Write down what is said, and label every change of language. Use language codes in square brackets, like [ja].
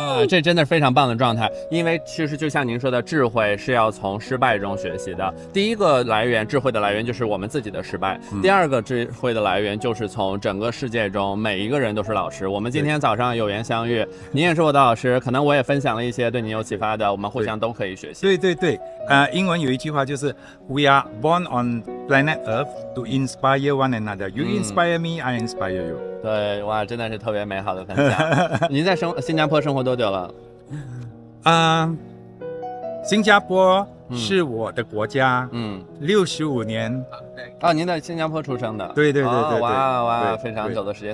[zh] 这真的非常棒的状态，因为其实就像您说的，智慧是要从失败中学习的。第一个来源，智慧的来源就是我们自己的失败，第二个智慧的来源就是从整个世界中每一个人都是老师。我们今天早上有缘相遇，您也是我的老师，可能我也分享了一些对您有启发的，我们互相都可以学习。对对对，英文有一句话就是 [en] We are born on planet Earth to inspire one another. You inspire me, I inspire you. [zh] 对，哇，真的是特别美好的分享。您在新加坡生活多久了？新加坡是我的国家。65年。您在新加坡出生的？对对对对。哇，非常久的时间。